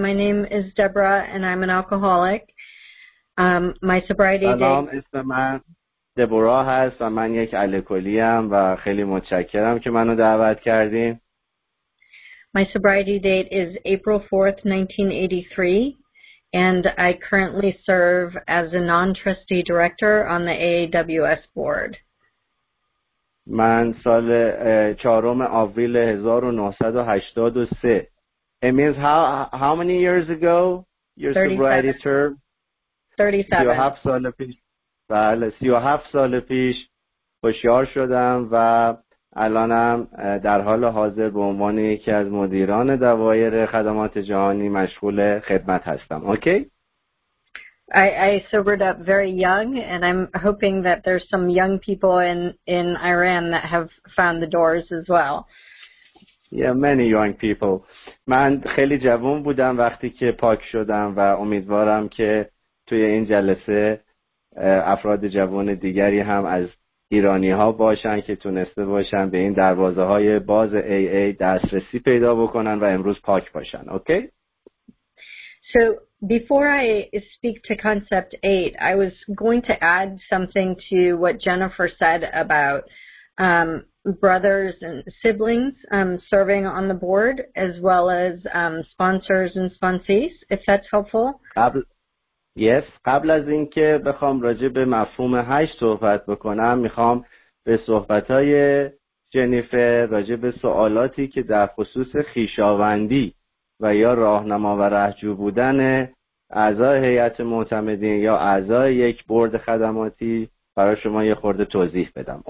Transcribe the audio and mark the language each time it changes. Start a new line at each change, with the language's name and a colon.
English: My name is Deborah and I'm an alcoholic. My sobriety date.
Persian: سلام اسم من دبورا هست و من یک الکلی ام و خیلی متشکرم که منو دعوت کردین.
English: My sobriety date is April 4th, 1983 and I currently serve as a non-trustee director on the AAWS board.
Persian: من سال 4 آوریل 1983.
English: It means how many years ago your 37. Sobriety term? 37. You have
Persian: سال پیش. بله 37 سال پیش هوشیار شدم و الانم در حال حاضر به عنوان یکی از مدیران دوایر خدمات جهانی مشغول خدمت هستم. اوکی؟
English: I sobered up very young and I'm hoping that there's some young people in Iran that have found the doors as well. Yeah, many young people.
Persian: من خیلی جوان بودم وقتی که پاک شدم و امیدوارم که توی این جلسه افراد جوان دیگری هم از ایرانی ها باشن که تونسته باشن به این دروازه های باز AA دسترسی پیدا بکنن و امروز پاک باشن. اوکی؟
English: So before I speak to concept 8, I was going to add something to what Jennifer said about brothers and siblings serving on the board as well as sponsors and sponsees, if that's helpful. Yes.
Persian: قبل از اینکه بخوام راجع به مفهوم 8 صحبت بکنم میخوام به صحبتهای جنیفر راجع به سوالاتی که در خصوص خیشاوندی و یا راهنما و رهجو بودن اعضای هیئت معتمدین یا اعضای یک بورد خدماتی برای شما یه خورده توضیح بدم.